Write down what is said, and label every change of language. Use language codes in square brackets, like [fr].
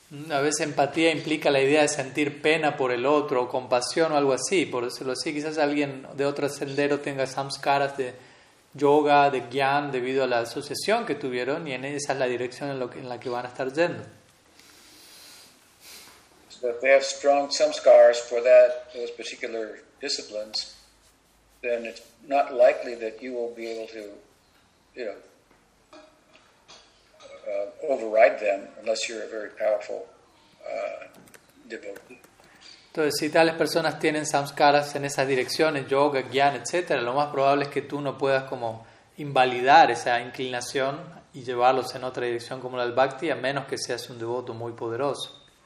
[es] A veces empatía implica la idea de sentir pena por el otro, o compasión o algo así, por decirlo así. Quizás alguien de otro sendero tenga samskaras de yoga, de gyan, debido a la asociación que tuvieron, y en esa es la dirección en la que van a estar yendo. [en] So if they have strong samskaras for that, those particular disciplines, then it's not likely that you will be able to, override them, unless you're a very powerful devotee. [es] Entonces, si tales personas tienen samskaras en esas direcciones, yoga, gyan, etc., lo más probable es que tú no puedas como invalidar esa inclinación y llevarlos en otra dirección como la del bhakti, a menos que seas un devoto muy poderoso.